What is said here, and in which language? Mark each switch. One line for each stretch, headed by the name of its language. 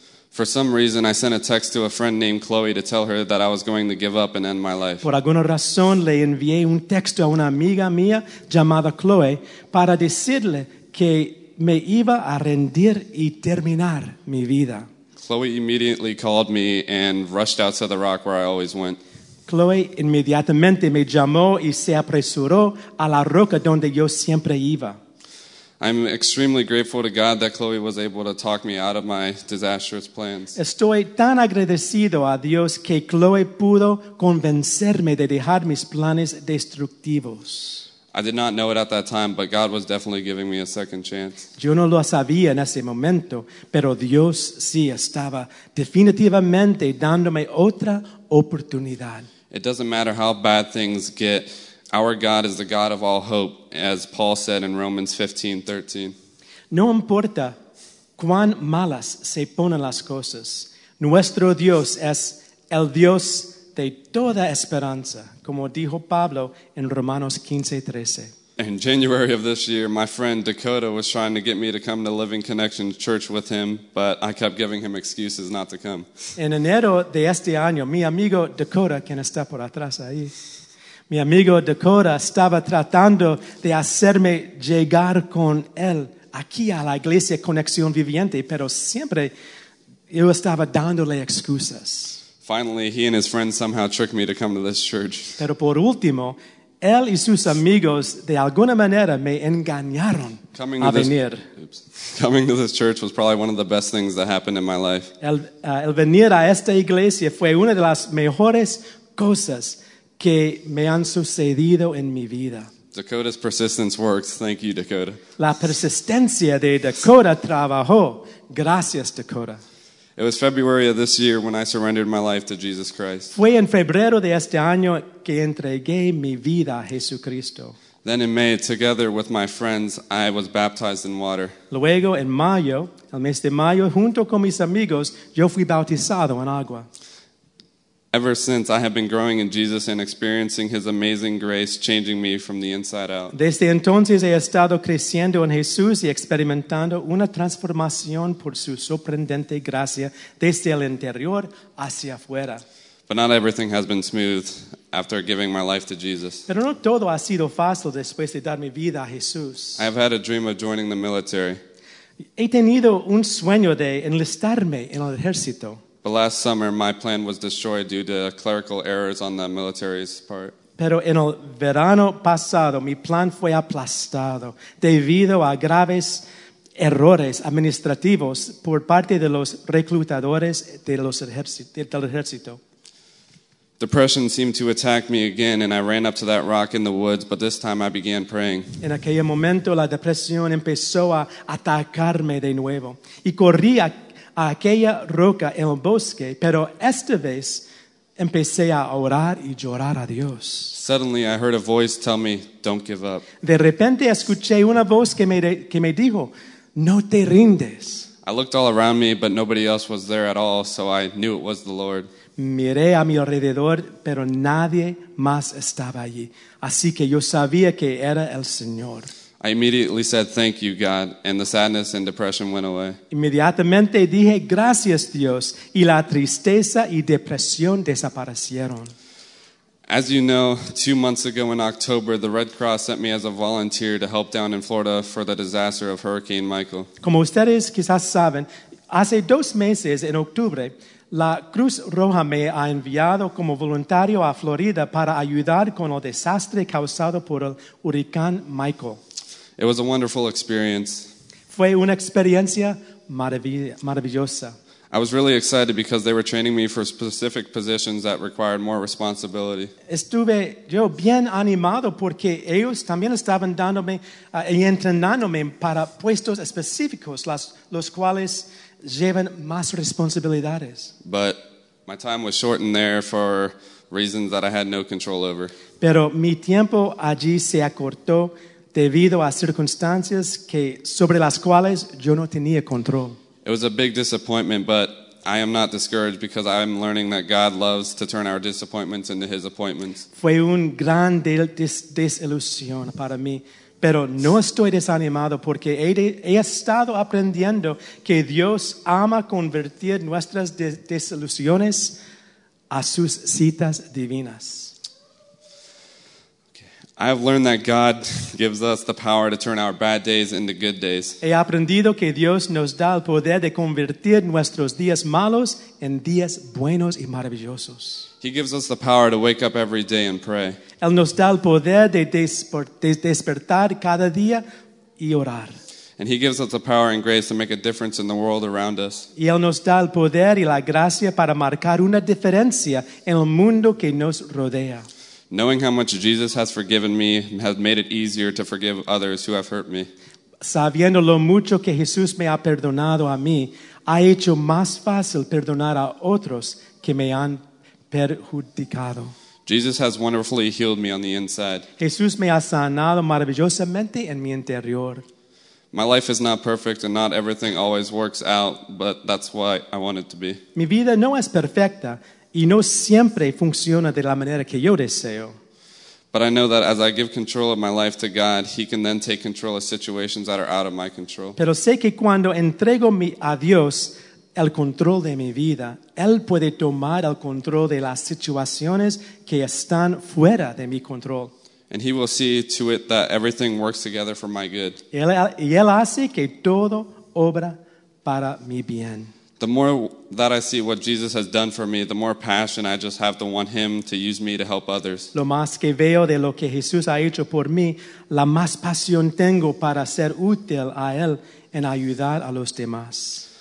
English: For some reason, I sent a text to a friend named Chloe to tell her that I was going to give up and end my life.
Spanish: Por alguna razón, le envié un texto a una amiga mía llamada Chloe para decirle que me iba a rendir y terminar mi vida.
English: Chloe immediately called me and rushed out to the rock where I always went.
Spanish: Chloe inmediatamente me llamó y se apresuró a la roca donde yo siempre iba.
English: I'm extremely grateful to God that Chloe was able to talk me out of my disastrous plans.
Spanish: Estoy tan agradecido a Dios que Chloe pudo convencerme de dejar mis planes destructivos.
English: I did not know it at that time, but God was definitely giving me a second chance.
Spanish: Yo no lo sabía en ese momento, pero Dios sí estaba definitivamente dándome otra oportunidad.
English: It doesn't matter how bad things get. Our God is the God of all hope, as Paul said in Romans 15:13.
Spanish: No importa cuán malas se ponen las cosas, nuestro Dios es el Dios de toda esperanza, como dijo Pablo en Romanos 15:13.
English: In January of this year, my friend Dakota was trying to get me to come to Living Connection Church with him, but I kept giving him excuses not to come.
Spanish: En enero de este año, mi amigo Dakota, quien está por atrás ahí, mi amigo Dakota estaba tratando de hacerme llegar con él aquí a la iglesia Conexión Viviente, pero siempre yo estaba dándole excusas.
English: Finally, he and his friends somehow tricked me to come to this church.
Spanish: Pero por último, él y sus amigos de alguna manera me engañaron a venir.
English: Coming to this church was probably one of the best things that happened in my life.
Spanish: El venir a esta iglesia fue una de las mejores cosas que me han sucedido en mi vida.
English: Dakota's persistence works. Thank you, Dakota.
Spanish: La persistencia de Dakota trabajó. Gracias, Dakota.
English: It was February of this year when I surrendered my life to Jesus Christ.
Spanish: Fue en febrero de este año que entregué mi vida a Jesucristo.
English: Then in May, together with my friends, I was baptized in water.
Spanish: Luego en mayo, el mes de mayo, junto con mis amigos, yo fui bautizado en agua.
English: Ever since, I have been growing in Jesus and experiencing His amazing grace changing me from the inside out.
Spanish: Desde entonces he estado creciendo en Jesús y experimentando una transformación por su sorprendente gracia desde el interior hacia afuera.
English: But not everything has been smooth after giving my life to Jesus.
Spanish: Pero no todo ha sido fácil después de dar mi vida a Jesús.
English: I have had a dream of joining the military.
Spanish: He tenido un sueño de enlistarme en el ejército.
English: But last summer, my plan was destroyed due to clerical errors on the military's part.
Spanish: Pero en el verano pasado, mi plan fue aplastado debido a graves errores administrativos por parte de los reclutadores del ejército.
English: Depression seemed to attack me again, and I ran up to that rock in the woods, but this time I began praying.
Spanish: En aquel momento, la depresión empezó a atacarme de nuevo, y corrí a aquella roca en el bosque, pero esta vez empecé a orar y llorar a Dios.
English: Suddenly I heard a voice tell me, don't give up.
Spanish: De repente escuché una voz que me dijo, no te rindes.
English: I looked all around me, but nobody else was there at all, so I knew it was the Lord.
Spanish: Miré a mi alrededor, pero nadie más estaba allí, así que yo sabía que era el Señor.
English: I immediately said, "Thank you, God," and the sadness and depression went away.
Spanish: Inmediatamente dije, "Gracias, Dios," y la tristeza y depresión desaparecieron.
English: As you know, 2 months ago in October, the Red Cross sent me as a volunteer to help down in Florida for the disaster of Hurricane Michael.
Spanish: Como ustedes quizás saben, hace 2 meses en octubre, la Cruz Roja me ha enviado como voluntario a Florida para ayudar con el desastre causado por el huracán Michael.
English: It was a wonderful experience.
Spanish: Fue una experiencia maravillosa.
English: I was really excited because they were training me for specific positions that required more responsibility.
Spanish: Estuve yo bien animado porque ellos también estaban dándome y entrenándome para puestos específicos, los cuales llevan más responsabilidades.
English: But my time was shortened there for reasons that I had no control over.
Spanish: Pero mi tiempo allí se acortó debido a circunstancias que sobre las cuales yo no tenía control.
English: It was a big disappointment, but I am not discouraged because I am learning that God loves to turn our disappointments into His appointments.
Spanish: Fue un gran desilusión para mí, pero no estoy desanimado porque he estado aprendiendo que Dios ama convertir nuestras desilusiones a sus citas divinas.
English: I have learned that God gives us the power to turn our bad days into good days.
Spanish: He aprendido que Dios nos da el poder de convertir nuestros días malos en días buenos y maravillosos.
English: He gives us the power to wake up every day and pray.
Spanish: Él nos da el poder de despertar cada día y orar.
English: And He gives us the power and grace to make a difference in the world around us.
Spanish: Y Él nos da el poder y la gracia para marcar una diferencia en el mundo que nos rodea.
English: Knowing how much Jesus has forgiven me has made it easier to forgive others who have hurt me.
Spanish: Sabiendo lo mucho que Jesús me ha perdonado a mí, ha hecho más fácil perdonar a otros que me han perjudicado.
English: Jesus has wonderfully healed me on the inside.
Spanish: Jesús me ha sanado maravillosamente en mi interior.
English: My life is not perfect and not everything always works out, but that's why I want it to be.
Spanish: Mi vida no es perfecta. Y no siempre funciona de la manera que yo deseo.
English: But I know that as I give control of my life to God, He can then take control of situations that are out of my control.
Spanish: Pero sé que cuando entrego a Dios el control de mi vida, Él puede tomar el control de las situaciones que están fuera de mi control.
English: And He will see to it that everything works together for my good.
Spanish: Y él hace que todo obra para mi bien.
English: The more that I see what Jesus has done for me, the more passion I just have to want Him to use me to help others.
Spanish: Lo más que veo de lo que Jesús ha hecho por mí, la más pasión tengo para ser útil a Él en ayudar a los demás.